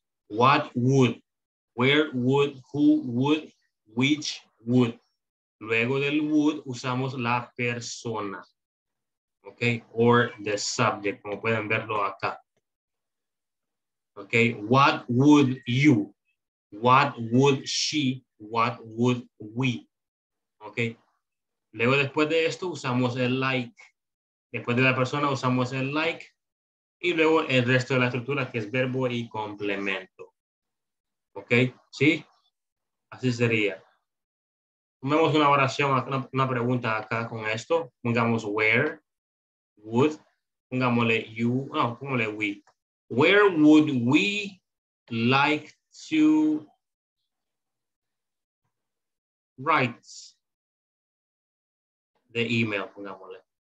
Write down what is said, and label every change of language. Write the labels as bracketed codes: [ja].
[en] What would, where would, who would, which would. [es] Luego del would usamos la persona. [en] okay, or the subject, [es] como pueden verlo acá. [en] Okay, what would you, what would she, what would we, okay? [es] Luego después de esto usamos el like. Después de la persona usamos el like y luego el resto de la estructura que es verbo y complemento. Okay, ¿sí? Así sería. Tomemos una oración, una pregunta acá con esto. Pongamos where, would, pongámosle you, no, pongámosle we. [en] Where would we like to write the email, pongámosle.